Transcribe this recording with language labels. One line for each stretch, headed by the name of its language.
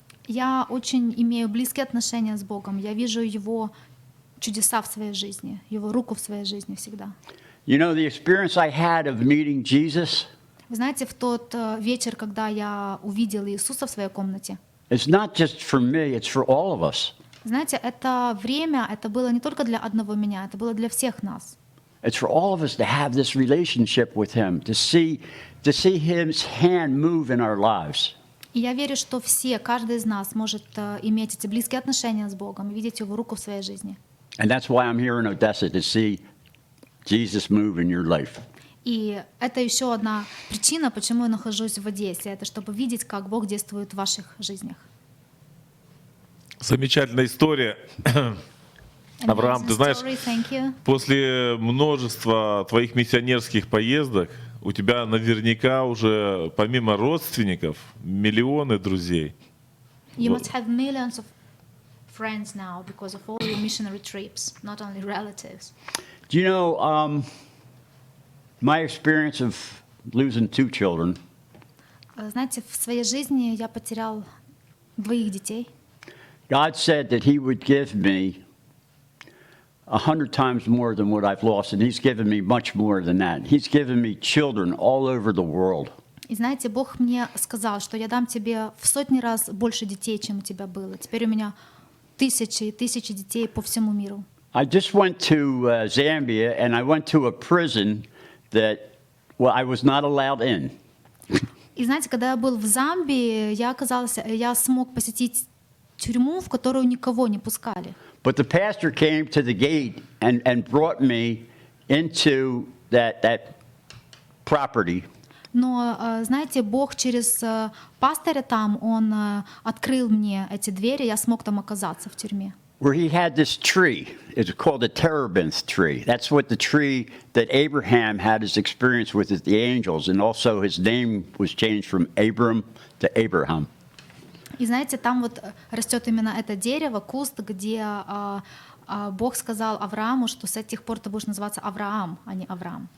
Russian: Я очень имею близкие отношения с Богом. Я вижу Его чудеса в своей жизни, Его руку в своей жизни всегда.
English: You know, the experience I had of meeting Jesus,
Russian: вы знаете, в тот вечер, когда я увидел Иисуса в своей комнате,
English: it's not just for me, it's for all of us.
Russian: Знаете, это время, это было не только для одного меня, это было для всех нас.
English: It's for all of us to have this relationship with Him, to see His hand move in our lives.
Russian: И я верю, что все, каждый из нас может иметь эти близкие отношения с Богом, видеть Его руку в своей жизни.
English: And that's why I'm here in Odessa, to see Jesus move in your life.
Russian: И это еще одна причина, почему я нахожусь в Одессе. Это чтобы видеть, как Бог действует в ваших жизнях. Замечательная история. Авраам, ты знаешь, после множества твоих миссионерских поездок, у тебя наверняка уже, помимо родственников, миллионы друзей.
English: You must have millions of friends now because of all your missionary trips, not only relatives. Do you know my experience of losing 2 children?
Russian: Знаете, в своей жизни я потерял 2 детей.
English: God said that He would give me 100 times more than what I've lost, and He's given me much more than that. He's given me children all over the world.
Russian: И знаете, Бог мне сказал, что я дам тебе в сотни раз больше детей, чем у тебя было. Теперь у меня тысячи и тысячи детей по всему миру.
English: I just went to Zambia and I went to a prison that, well, I was not allowed in.
Russian: И знаете, когда я был в Замбии, я смог посетить тюрьму, в которую никого не пускали.
English: But the pastor came to the gate and brought me into that property.
Russian: Но, знаете, Бог через пастора там, он открыл мне эти двери, я смог там оказаться в тюрьме.
English: Where he had this tree, it's called a terebinth tree. That's what the tree that Abraham had his experience with the angels, and also his name was changed from Abram to Abraham.
Russian: И знаете, там вот растет именно это дерево, куст, где Бог сказал Аврааму, что с тех пор ты будешь называться Авраам, а не Авраам.